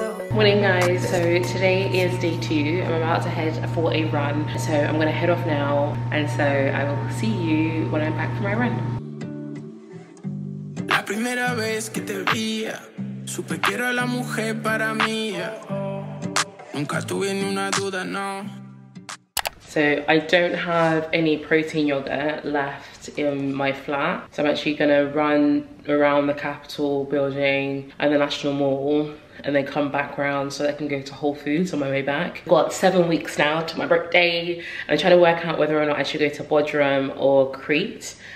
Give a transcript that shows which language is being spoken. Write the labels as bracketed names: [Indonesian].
[English] Morning guys, so today is day two. I'm about to head for a run, so I'm gonna head off now, and so I will see you when I'm back for my run. [Spanish] La primera vez que te vi, supe que era la mujer para mí. Nunca tuve ni una duda, no. [English] So I don't have any protein yogurt left in my flat. So I'm actually gonna run around the Capitol building and the National Mall and then come back round so I can go to Whole Foods on my way back. Got 7 weeks now to my birthday. I'm trying to work out whether or not I should go to Bodrum or Crete.